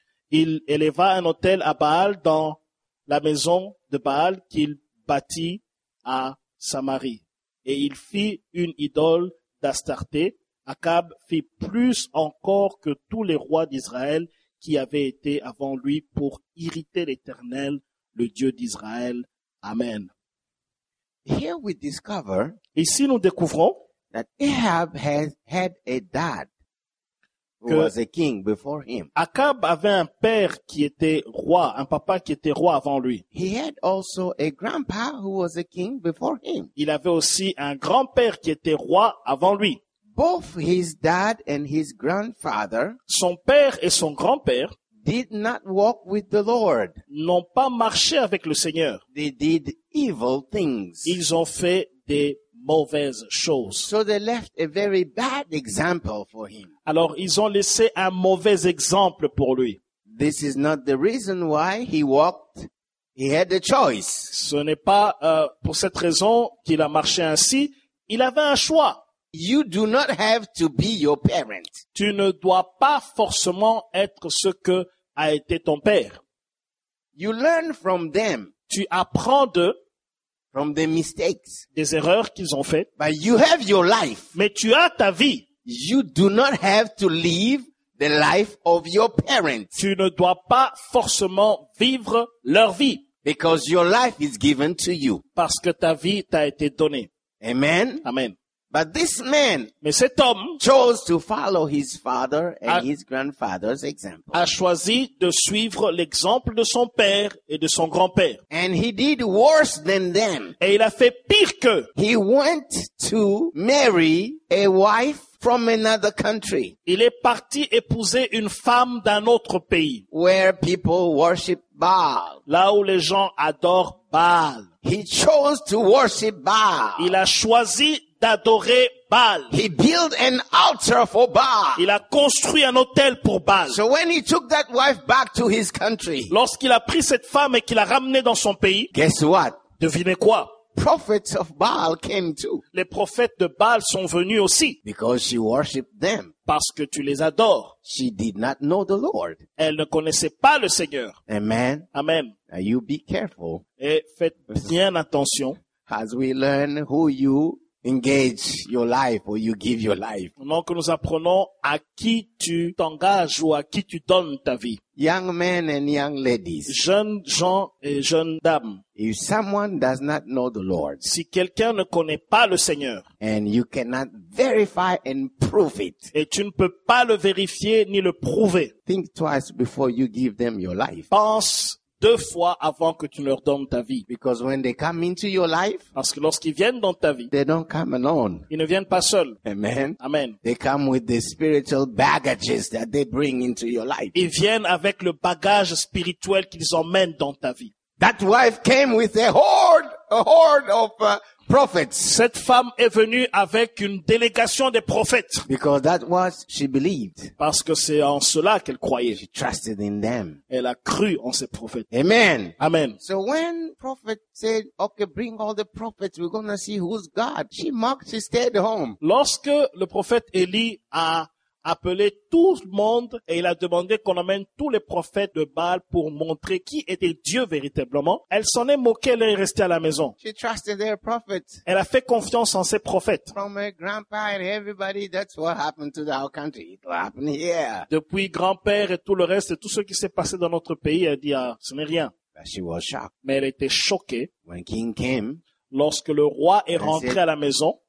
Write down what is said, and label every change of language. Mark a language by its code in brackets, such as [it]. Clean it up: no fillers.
[fr] Il éleva un autel à Baal dans la maison de Baal qu'il bâtit à Samarie. Et il fit une idole d'Astarté. Achab fit plus encore que tous les rois d'Israël qui avaient été avant lui pour irriter l'Éternel, le Dieu d'Israël. Amen. [en] Here we discover. [fr] Ici nous découvrons [en] that Ahab has had a dad who was a king before him. [fr] Achab avait un père qui était roi, un papa qui était roi avant lui. [en] He had also a grandpa who was a king before him. [fr] Il avait aussi un grand-père qui était roi avant lui. [en] Both his dad and his grandfather, [fr] son père et son grand-père, [en] did not walk with the Lord. [fr] N'ont pas marché avec le Seigneur. [en] They did evil things. [fr] Ils ont fait des mauvaise chose. [en] So they left a very bad example for him. [fr] Alors ils ont laissé un mauvais exemple pour lui. [en] This is not the reason why he walked. He had a choice. [fr] Ce n'est pas pour cette raison qu'il a marché ainsi. Il avait un choix. [en] You do not have to be your parent. [fr] Tu ne dois pas forcément être ce que a été ton père. [en] You learn from them. [fr] Tu apprends d'eux. [en] From the mistakes. [fr] Des erreurs qu'ils ont faites. [en] But you have your life. [fr] Mais tu as ta vie. [en] You do not have to live the life of your parents. [fr] Tu ne dois pas forcément vivre leur vie. [en] Because your life is given to you. [fr] Parce que ta vie t'a été donnée. [en] Amen. [fr] Amen. [en] But this man, [fr] mais cet homme, [en] chose to follow his father and his grandfather's example. [fr] A choisi de suivre l'exemple de son père et de son grand-père. [en] And he did worse than them. [fr] Et il a fait pire qu'eux. [en] He went to marry a wife from another country. [fr] Il est parti épouser une femme d'un autre pays. [en] Where people worship Baal. [fr] Là où les gens adorent Baal. [en] He chose to worship Baal. [fr] Il a choisi d'adorer Baal. [en] He built an altar for Baal. [fr] Il a construit un autel pour Baal. [en] So when he took that wife back to his country, [fr] lorsqu'il a pris cette femme et qu'il l'a ramenée dans son pays, [en] guess what? [fr] Devinez quoi? [en] Prophets of Baal came too. [fr] Les prophètes de Baal sont venus aussi. [en] Because she worshipped them. [fr] Parce que tu les adores. [en] She did not know the Lord. [fr] Elle ne connaissait pas le Seigneur. [en] Amen. [fr] Amen. [en] Now you be careful. [fr] Et faites bien attention. [en] As we learn who you engage your life or you give your life. [fr] Donc nous apprenons à qui tu t'engages ou à qui tu donnes ta vie. [en] Young men and young ladies. [fr] Jeunes gens et jeunes dames. [en] If someone does not know the Lord. [fr] Si quelqu'un ne connaît pas le Seigneur. [en] And you cannot verify and prove it. [fr] Et tu ne peux pas le vérifier ni le prouver. [en] Think twice before you give them your life. [fr] Pense deux fois avant que tu ne leur donnes ta vie. [en] Because when they come into your life, [fr] parce que lorsqu'ils viennent dans ta vie, [en] they don't come alone. [fr] Ils ne viennent pas seuls. [en] Amen. [fr] Amen. [en] They come with the spiritual baggages that they bring into your life. [fr] Ils viennent avec le bagage spirituel qu'ils emmènent dans ta vie. [en] That wife came with a horde of prophets. [fr] Cette femme est venue avec une délégation des prophètes. [en] Because that was she believed. [fr] Parce que c'est en cela qu'elle croyait. [en] She trusted in them. [fr] Elle a cru en ces prophètes. [en] Amen. [fr] Amen. [en] So when prophet said, "Okay, bring all the prophets. We're gonna see who's God." She mocked. She stayed home. [fr] Lorsque le prophète Élie a appelé tout le monde et il a demandé qu'on amène tous les prophètes de Baal pour montrer qui était Dieu véritablement. Elle s'en est moquée, elle est restée à la maison. [en] She trusted their prophets. [fr] Elle a fait confiance en ses prophètes. [en] From her grandpa and everybody, that's what happened to our country. It will happen here. [fr] Depuis grand-père et tout le reste, tout ce qui s'est passé dans notre pays, elle dit, ah, ce n'est rien. [en] But she was shocked. [fr] Mais elle était choquée. [en] When King came, [fr] lorsque le roi est rentré à la maison,